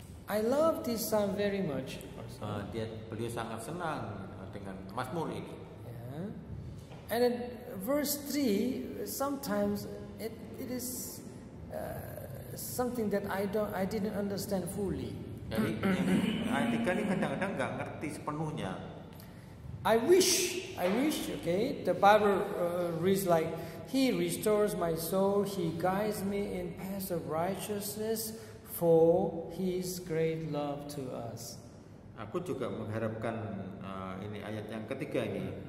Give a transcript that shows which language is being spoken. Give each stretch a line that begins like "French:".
English: I love this psalm very much.
Indonesian: Dia beliau sangat senang dengan Mazmur ini.
English: Yeah. And in verse 3, sometimes it is something that I didn't understand fully.
Indonesian: Jadi ayat 3 ini kadang-kadang enggak ngerti sepenuhnya.
English: I wish, okay, the Bible reads like, He restores my soul, He guides me in paths of righteousness for His great love to us.
Indonesian: Aku juga mengharapkan ini ayat yang ketiga ini.